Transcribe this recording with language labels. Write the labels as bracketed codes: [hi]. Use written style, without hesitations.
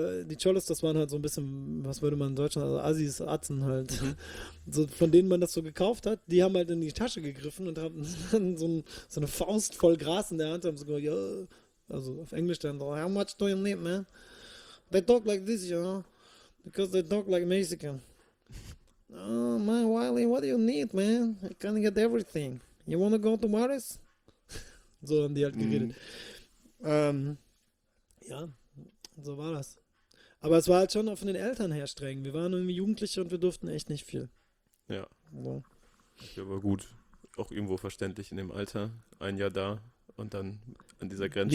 [de] Die Cholos, das waren halt so ein bisschen, was würde man in Deutschland, also Assis, Atzen halt, so, von denen man das so gekauft hat, die haben halt in die Tasche gegriffen und haben so eine Faust voll Gras in der Hand und haben so gesagt, yo, also auf Englisch dann so, [en] how much do you need, man? They talk like this, you know, because they talk like Mexican. Oh, man, Wiley, what do you need, man? I can get everything. You wanna go to Maris? [de] So haben die halt geredet. Ja, so war das. Aber es war halt schon auch von den Eltern her streng. Wir waren irgendwie Jugendliche und wir durften echt nicht viel. Ja. So. Ja, aber gut. Auch irgendwo verständlich in dem Alter. Ein Jahr da und dann an dieser Grenze.